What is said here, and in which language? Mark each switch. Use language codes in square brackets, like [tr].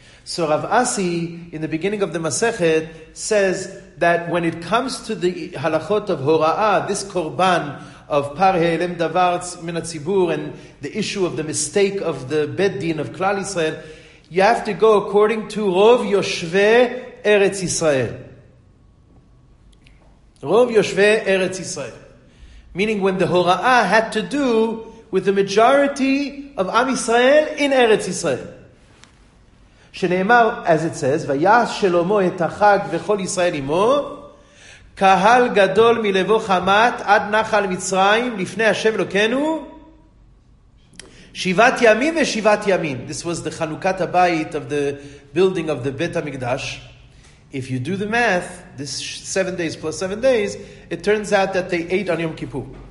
[en] So Rav Asi, in the beginning of the Masechet, says that when it comes to the halachot of Hora'ah, this korban of par he'elem davar min tzibur and the issue of the mistake of the Bet Din of Klal Yisrael, you have to go according to Rov Yoshve Eretz Yisrael. Rov Yoshve Eretz Yisrael. Meaning when the Hora'ah had to do with the majority of Am Yisrael in Eretz Yisrael. [he] שנאמר, [en] as it says, [he] ויעש שלמה את החג וכל ישראל עמו, קהל גדול מלבו חמת עד נחל מצרים לפני השם אלוקנו, שבעת ימים ושבעת ימים. [en] This was the חנוכת הבית of the building of the בית המקדש. If you do the math, this 7 days plus 7 days, it turns out that they ate on Yom Kippur.